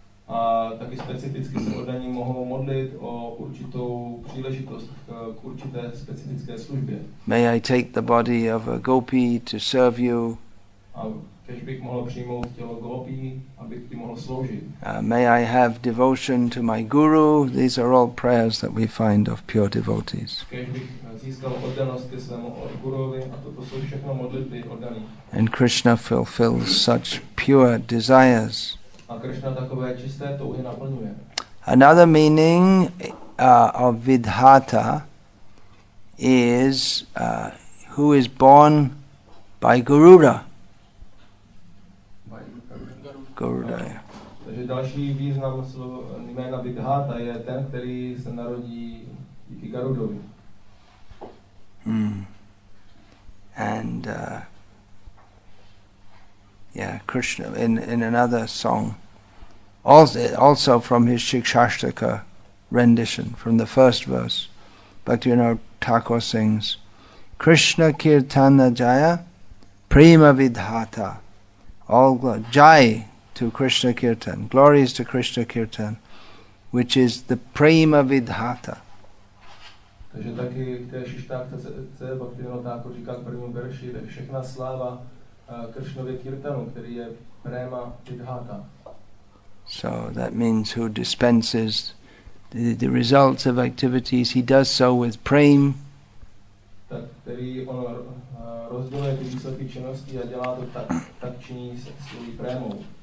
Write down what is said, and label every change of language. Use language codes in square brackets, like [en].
[cs] A taky specificky se oddaní mohou modlit o určitou příležitost k určité specifické službě. [en] May I take the body of a gopi to serve you? [cs] A kéž bych mohl přijmout tělo gopi, abych ti mohl sloužit. [en] May I have devotion to my guru? These are all prayers that we find of pure devotees. [cs] Kéž bych získal oddanost ke svému guruovi, a toto jsou všechno modlitby oddaných. [en] And Krishna fulfills such pure desires. [cs] A Krishna takové čisté touhy naplňuje. [en] Another meaning of vidhata is who is born by Garuda. Garuda. No. [cs] Takže další význam slova jména vidhata je ten, který se narodí díky Garudovi. [en] Hmm. And Krishna in another song. Also from his Shikshashtaka rendition, from the first verse, Bhaktivinoda Thakur sings, Krishna Kirtana Jaya Prima Vidhata. All Jai to Krishna Kirtan, glories to Krishna Kirtan, which is the Prima Vidhata. [cs] Takže taky Shikshashtaka se Bhaktivinoda Thakur říká k prvnímu verši, tak všechna sláva Krishnovi Kirtanu, který je Prima Vidhata. [en] So that means who dispenses the results of activities, he does so with prem. [cs] Tak, který on rozděluje ty výsledky činnosti a dělá to tak činí se svojí prémou.